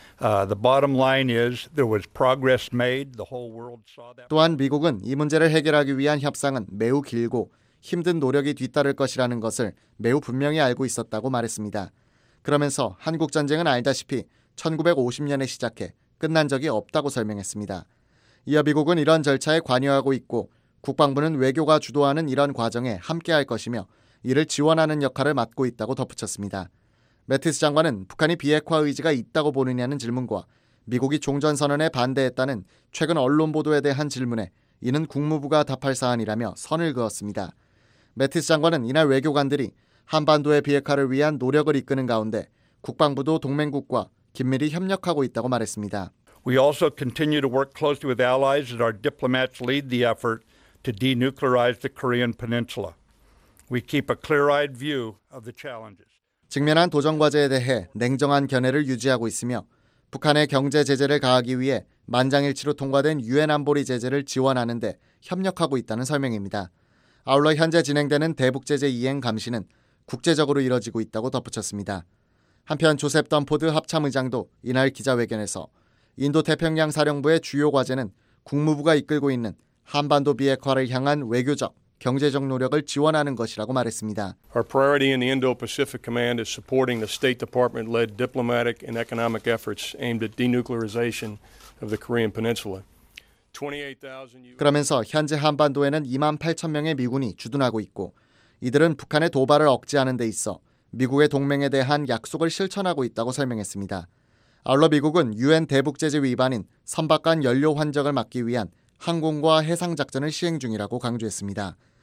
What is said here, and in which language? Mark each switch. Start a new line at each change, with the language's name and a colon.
English: The bottom line is there was progress made. The whole world saw that.
Korean: 또한 미국은 이 문제를 해결하기 위한 협상은 매우 길고 힘든 노력이 뒤따를 것이라는 것을 매우 분명히 알고 있었다고 말했습니다. 그러면서 한국 전쟁은 알다시피 1950년에 시작해 끝난 적이 없다고 설명했습니다. 이어 미국은 이런 절차에 관여하고 있고 국방부는 외교가 주도하는 이런 과정에 함께할 것이며 이를 지원하는 역할을 맡고 있다고 덧붙였습니다. 매티스 장관은 북한이 비핵화 의지가 있다고 보느냐는 질문과 미국이 종전선언에 반대했다는 최근 언론 보도에 대한 질문에 이는 국무부가 답할 사안이라며 선을 그었습니다. 매티스 장관은 이날 외교관들이 한반도의 비핵화를 위한 노력을 이끄는 가운데 국방부도 동맹국과 긴밀히 협력하고 있다고 말했습니다.
English: We also continue to work closely with allies as our diplomats lead the effort to denuclearize the Korean Peninsula. We keep a clear-eyed view of the challenges.
Korean: 직면한 도전 과제에 대해 냉정한 견해를 유지하고 있으며 북한의 경제 제재를 가하기 위해 만장일치로 통과된 유엔 안보리 제재를 지원하는 데 협력하고 있다는 설명입니다. 아울러 현재 진행되는 대북 제재 이행 감시는 국제적으로 이뤄지고 있다고 덧붙였습니다. 한편 조셉 던포드 합참의장도 이날 기자회견에서 인도태평양 사령부의 주요 과제는 국무부가 이끌고 있는 한반도 비핵화를 향한 외교적, 경제적 노력을 지원하는 것이라고 말했습니다.
English: Our priority in the Indo-Pacific Command is supporting the State Department-led diplomatic and economic efforts aimed at denuclearization of the Korean Peninsula.
Korean: 그러면서 현재 한반도에는 2만 8천 명의 미군이 주둔하고 있고 이들은 북한의 도발을 억제하는 데 있어 미국의 동맹에 대한 약속을 실천하고 있다고 설명했습니다. 아울러 미국은 유엔 대북 제재 위반인 선박 간 연료 환적을 막기 위한 항공과 해상 작전을 시행 중이라고 강조했습니다.